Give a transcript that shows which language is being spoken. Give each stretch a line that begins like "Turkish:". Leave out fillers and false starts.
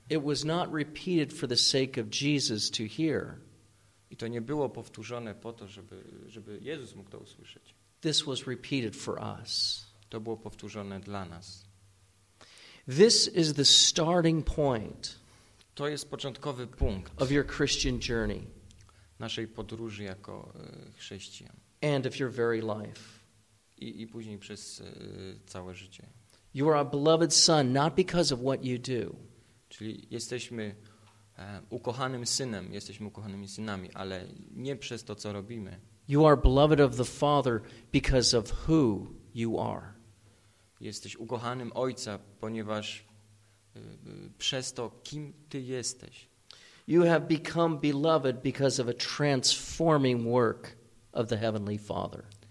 English: It was not repeated for the sake of Jesus to hear.
Polish: I to nie było powtórzone po to, żeby Jezus mógł to usłyszeć.
English: This was repeated for us.
Polish: To było powtórzone dla nas.
English: This is the starting point.
Polish: To jest początkowy punkt.
English: Of your Christian journey.
Polish: Naszej podróży jako chrześcijan.
English: And of your very life.
Polish: I później przez całe życie.
English: You are a beloved son, not because of what you do.
Polish: Czyli jesteśmy ukochanym synem, jesteśmy ukochanymi synami, ale nie przez to, co robimy.
English: You are beloved of the Father because of who you are.
Polish: Jesteś ukochanym Ojca, ponieważ przez to, kim Ty jesteś.
English: You have become beloved because of a transforming work of the Heavenly Father.